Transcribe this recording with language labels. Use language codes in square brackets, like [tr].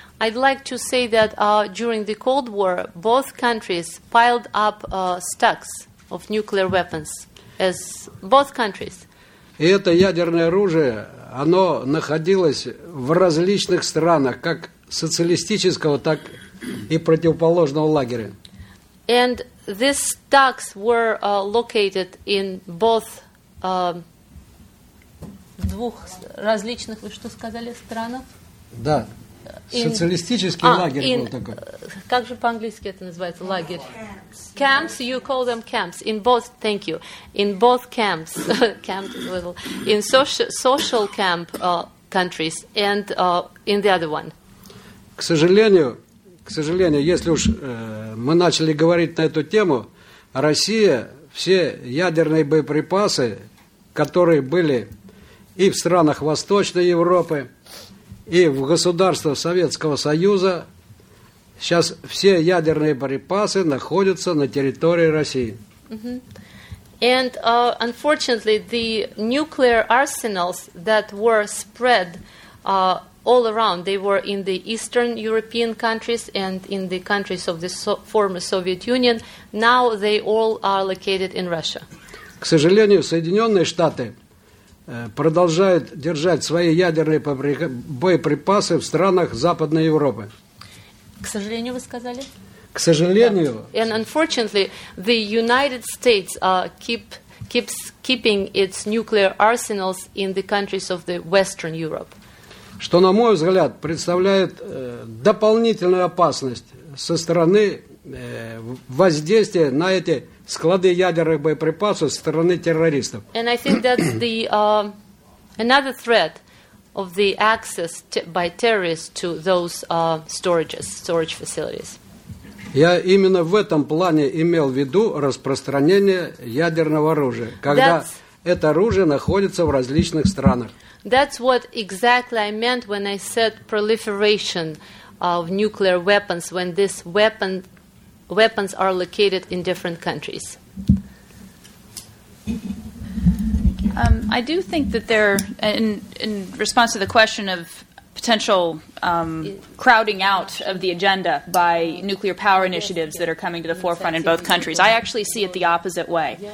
[en] I'd like to say that during the Cold War both countries piled up stacks of nuclear weapons, as both countries. [ru] И это ядерное оружие, оно находилось в различных странах, как социалистического, так и противоположного лагеря. [en] And these stacks were located in both [ru] двух различных, вы что сказали, странах? Да. Социалистический лагерь был такой. Как же по-английски это называется? [en] Лагерь. Camps, you call them camps. In both, thank you. In both camps. Camp is a little. In social camp countries and in the other one. [ru] К сожалению, если уж мы начали говорить на эту тему, Россия все ядерные боеприпасы, которые были и в странах Восточной Европы, и в государствах Советского Союза, сейчас все ядерные боеприпасы находятся на территории России. Mm-hmm. [en] And unfortunately, the nuclear arsenals that were spread all around, they were in the Eastern European countries and in the countries of the former Soviet Union. Now they all are located in Russia. [ru] К сожалению, Соединенные Штаты продолжают держать свои ядерные боеприпасы в странах Западной Европы. К сожалению, вы сказали? К сожалению. [en] And unfortunately, the United States keeps its nuclear arsenals in the countries of the Western Europe. [ru] Что, на мой взгляд, представляет дополнительную опасность со стороны воздействия на эти склады ядерных боеприпасов со стороны террористов. [en] And I think that's the another threat of the access by terrorists to those storage facilities. [ru] Я именно в этом плане имел в виду распространение ядерного оружия, когда это оружие находится в различных странах. [en] That's what exactly I meant when I said proliferation of nuclear weapons, when these weapons are located in different countries. I do think that there, in response to the question of potential crowding out of the agenda by nuclear power initiatives that are coming to the forefront in both countries, I actually see it the opposite way.